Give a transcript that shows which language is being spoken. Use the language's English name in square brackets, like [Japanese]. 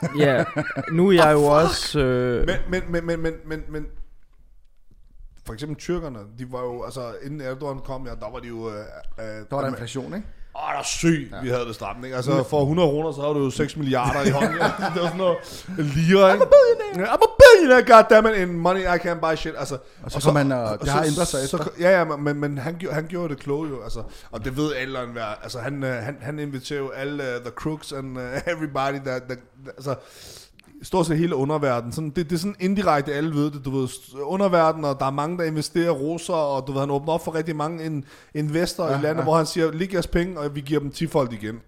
[Danish] Ja, yeah. Nu er jeg jo også... Men for eksempel tyrkerne, de var jo, altså inden Erdogan kom, ja, der var de jo... Der var der inflation, ikke? Åh, der er syg, ja. Vi havde det stramt, ikke? Altså for 100 kroner, så havde du jo 6 milliarder i hånden. Ja. Det var sådan noget lira, ikke? [English] I'm a billionaire, goddammit, in money, I can't buy shit. [Danish] Altså, og så man, det har ændret sig efter. Men han gjorde det kloge jo, altså. Og det ved alle en hver. Altså han inviterer jo alle [English] the crooks and everybody, [Danish] altså stort set hele underverdenen. Sådan, det er sådan indirekte, alle ved det, du ved. Underverdenen, og der er mange, der investerer russer, og du ved, han åbner op for rigtig mange investorer i landet, hvor han siger, lig jeres penge, og vi giver dem 10-fold igen.